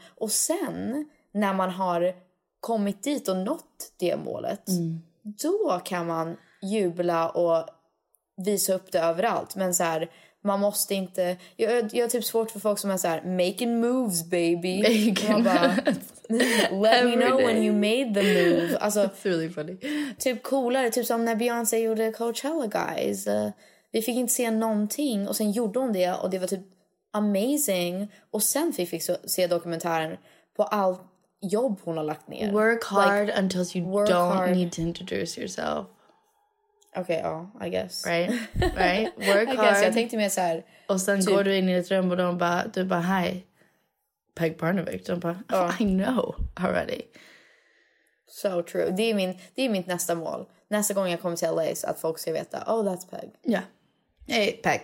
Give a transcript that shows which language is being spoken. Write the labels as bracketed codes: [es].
[sv] Och sen när man har kommit dit och nått det målet, då kan man jubla och visa upp det överallt. Men så här, man måste inte... Jag har typ svårt för folk som är så här, [en] making moves, baby. Making [sv] bara, [en] let me know day when you made the move. [sv] Alltså, [en] it's really funny. [sv] Typ coolare, typ som när Beyoncé gjorde Coachella, guys. Vi fick inte se någonting och sen gjorde hon det och det var typ amazing. Och sen fick vi se dokumentären på allt jobb hon har lagt ner. [en] Work hard, like, until you don't hard need to introduce yourself. Okay, oh, I guess. Right? Work hard. I guess, [sv] jag tänkte mer så här. Och sen går du in i ett rum och du bara, hi, Peg Parnevik. De bara, [en] I know already. So true. [sv] Det är mitt nästa mål. Nästa gång jag kommer till LA så att folk ska veta, [en] oh, that's Peg. Yeah. Hey, Peg.